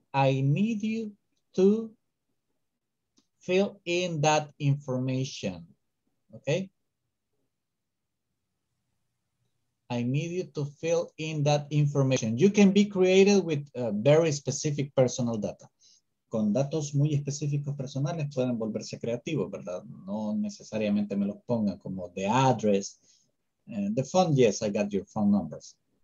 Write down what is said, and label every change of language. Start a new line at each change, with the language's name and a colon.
English: I need you to fill in that information, okay? I need you to fill in that information. You can be created with very specific personal data.
Spanish: Con datos muy específicos personales pueden volverse creativos, ¿verdad? No necesariamente me los pongan como
English: the address. The phone, yes, I got your phone numbers.